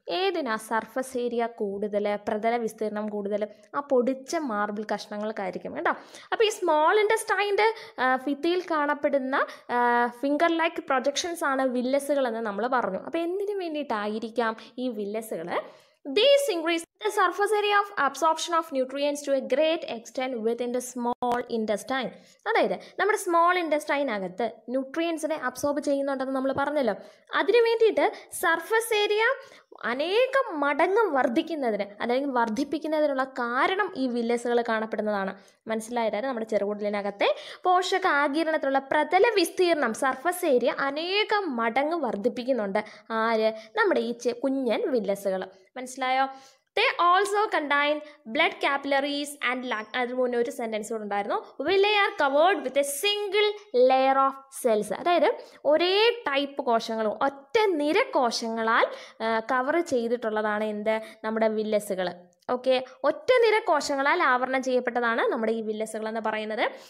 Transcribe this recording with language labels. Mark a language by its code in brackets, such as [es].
[ml] ഏതിനാ surface area കൂടുതൽ, പ്രതല വിസ്തീർണം കൂടുതൽ, ആ പൊടിച്ച മാർബിൾ കഷ്ണങ്ങൾക്കായിരിക്കും കേട്ടോ. അപ്പോൾ ഈ സ്മോൾ ഇൻ്റസ്റ്റൈൻ്റെ ഭിത്തിയിൽ കാണപ്പെടുന്ന ഫിംഗർ ലൈക്ക് പ്രൊജക്ഷൻസ് ആണ് വില്ലസുകളെന്ന് നമ്മൾ പറഞ്ഞു. അപ്പോൾ എന്തിനു വേണ്ടിയിട്ടായിരിക്കാം ഈ വില്ലസുകൾ? [en] These increase the surface area of absorption of nutrients to a great extent within the small intestine. [ml] അതായത് നമ്മുടെ സ്മോൾ ഇൻ്റസ്റ്റൈൻ അകത്ത് ന്യൂട്രിയൻസിനെ അബ്സോർബ് ചെയ്യുന്നുണ്ടെന്ന് നമ്മൾ പറഞ്ഞല്ലോ. അതിനു വേണ്ടിയിട്ട് സർഫസ് ഏരിയ അനേകം മടങ്ങ് വർദ്ധിക്കുന്നതിന് അല്ലെങ്കിൽ വർദ്ധിപ്പിക്കുന്നതിനുള്ള കാരണം ഈ വില്ലസുകൾ കാണപ്പെടുന്നതാണ്. മനസ്സിലായതായത് നമ്മുടെ ചെറുകുടലിനകത്തെ പോഷക ആഗിരണത്തിലുള്ള പ്രതല വിസ്തീർണം സർഫസ് ഏരിയ അനേകം മടങ്ങ് വർദ്ധിപ്പിക്കുന്നുണ്ട്. ആര്? നമ്മുടെ ഈ കുഞ്ഞൻ വില്ലസുകൾ. മനസ്സിലായോ? [en] They also contain blood capillaries and lung. [ml] അതിന് മുന്നേ ഒരു സെൻറ്റൻസ് കൂടെ ഉണ്ടായിരുന്നു. [en] Villi are covered with a single layer of cells. [ml] അതായത് ഒരേ ടൈപ്പ് കോശങ്ങളും ഒറ്റ നിര കോശങ്ങളാൽ കവർ ചെയ്തിട്ടുള്ളതാണ് എന്ത്? നമ്മുടെ വില്ലസുകൾ. ഓക്കെ, ഒറ്റ നിര കോശങ്ങളാൽ ആവരണം ചെയ്യപ്പെട്ടതാണ് നമ്മുടെ ഈ വില്ലസുകൾ എന്ന് പറയുന്നത്.